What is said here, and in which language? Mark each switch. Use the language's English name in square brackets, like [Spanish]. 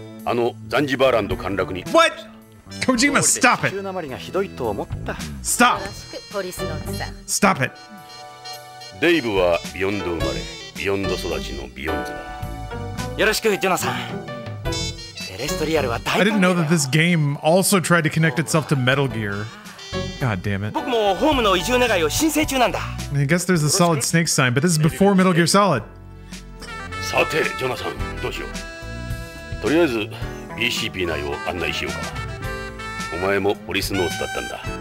[Japanese] あのザンジバーランド陥落に。 [English] What? Kojima, stop it! [Japanese] 地球なまりがひどいと思った。 [English] Stop! [Japanese] よろしく、ポリスノッツさん。 [English] Stop it! [Japanese] デイブはビヨンド生まれ、ビヨンド育ちのビヨンズだ。よろしく、ジョナサン。テレストリアルは大歓迎だ。 [English] I didn't know that this game also tried to connect itself to Metal Gear. God damn it. [Japanese] 僕もホームの移住願いを申請中なんだ。 [English] I guess there's a solid snake sign, but this is before Metal Gear Solid. [Japanese] さて、ジョナサン、どうしよう。とりあえず、BCP 内を案内しようか。お前もポリスノーズだったんだ。